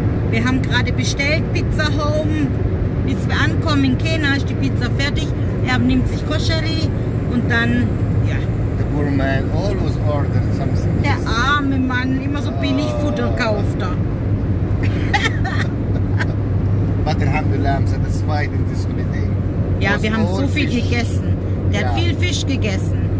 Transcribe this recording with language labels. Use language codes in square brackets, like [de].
[de] Wir haben gerade bestellt, Pizza Home. Bis wir ankommen in Kena, ist die Pizza fertig. Er nimmt sich Koscheri und dann, ja. [en] The poor man always ordered something. [de] Der arme Mann, immer so billig Futter kauft er. [en] But alhamdulillah, I'm satisfied in this holiday. [de] Ja, wir haben so viel gegessen. Der hat viel Fisch gegessen.